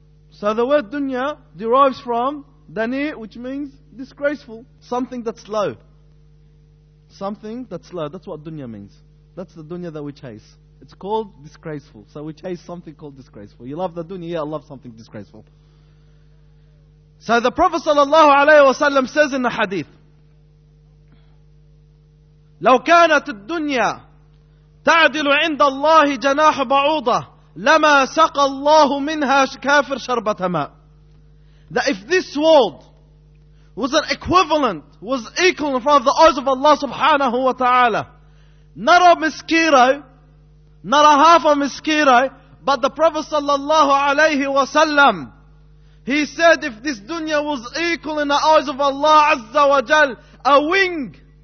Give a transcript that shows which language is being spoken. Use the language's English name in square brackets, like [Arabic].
[English] So the word dunya derives from dani, which means disgraceful. Something that's low. Something that's low. That's what dunya means. That's the dunya that we chase. It's called disgraceful. So we chase something called disgraceful. You love the dunya, yeah, I love something disgraceful. So the Prophet sallallahu alayhi wa sallam says in the hadith, [Arabic] لو كانت الدنيا تعدل عند الله جناح بعوضة لما سقى الله منها كافر شربة ماء. [English] That if this world was an equivalent, was equal in front of the eyes of Allah subhanahu wa ta'ala, not a mosquito, not a half a mosquito, but the Prophet sallallahu alayhi wa sallam, he said if this dunya was equal in the eyes of Allah azza wa jal, a wing.